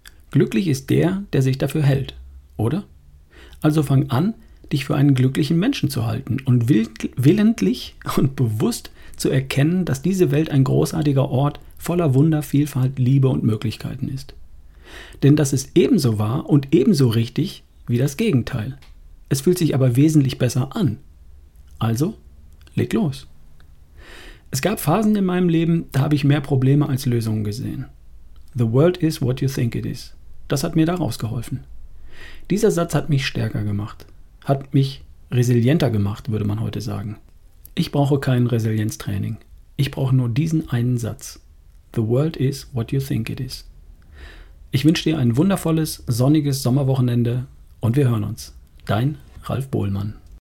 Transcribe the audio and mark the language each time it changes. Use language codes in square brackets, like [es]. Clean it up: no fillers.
[de] Glücklich ist der, der sich dafür hält, oder? Also fang an, dich für einen glücklichen Menschen zu halten und willentlich und bewusst zu erkennen, dass diese Welt ein großartiger Ort voller Wunder, Vielfalt, Liebe und Möglichkeiten ist. Denn das ist ebenso wahr und ebenso richtig wie das Gegenteil. Es fühlt sich aber wesentlich besser an. Also, leg los! Es gab Phasen in meinem Leben, da habe ich mehr Probleme als Lösungen gesehen. [en] The world is what you think it is. [de] Das hat mir daraus geholfen. Dieser Satz hat mich stärker gemacht. Hat mich resilienter gemacht, würde man heute sagen. Ich brauche kein Resilienztraining. Ich brauche nur diesen einen Satz. [en] The world is what you think it is. [de] Ich wünsche dir ein wundervolles, sonniges Sommerwochenende und wir hören uns. Dein Ralf Bohlmann.